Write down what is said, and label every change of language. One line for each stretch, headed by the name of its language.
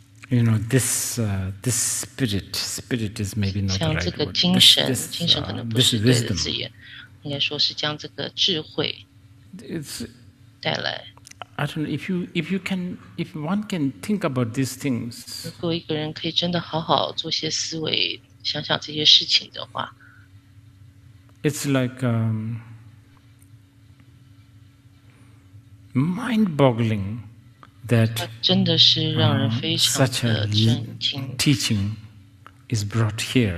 English: you know, this, this spirit, spirit is maybe not the right word.
Chinese: 像这个精神 精神可能不是对的字眼。应该说是将这个智慧带来。
English: I don't know, if one can think about these things,
Chinese: 如果一个人可以真的好好做些思维，想想这些事情的话，
English: it's like mind-boggling that
Chinese: 真的是让人非常的
English: such a teaching is brought here.